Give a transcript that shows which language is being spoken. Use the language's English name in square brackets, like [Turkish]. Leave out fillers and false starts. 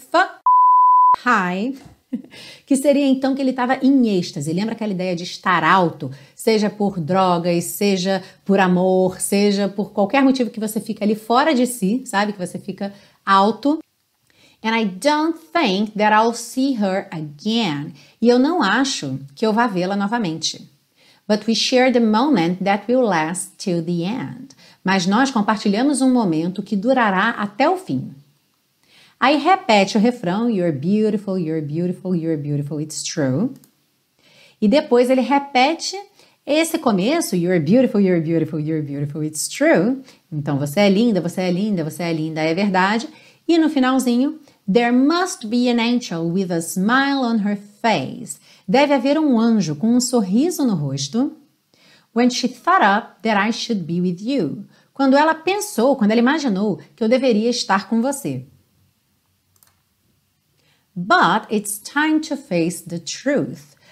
[Portuguese] Fuck high, que seria então que ele estava em êxtase. Lembra aquela ideia de estar alto? Seja por drogas, seja por amor, seja por qualquer motivo que você fica ali fora de si, sabe? Que você fica alto. [English] And I don't think that I'll see her again. [Portuguese] E eu não acho que eu vá vê-la novamente. [English] But we share the moment that will last till the end. [Portuguese] Mas nós compartilhamos um momento que durará até o fim. Aí repete o refrão, [English] you're beautiful, you're beautiful, you're beautiful, it's true. [Portuguese] E depois ele repete esse começo, [English] you're beautiful, you're beautiful, you're beautiful, it's true. [Portuguese] Então você é linda, você é linda, você é linda, é verdade. E no finalzinho, [English] there must be an angel with a smile on her face. [Portuguese] Deve haver um anjo com um sorriso no rosto. [English] When she thought up that I should be with you. [Portuguese] Quando ela pensou, quando ela imaginou que eu deveria estar com você. [English] But it's time to face the truth.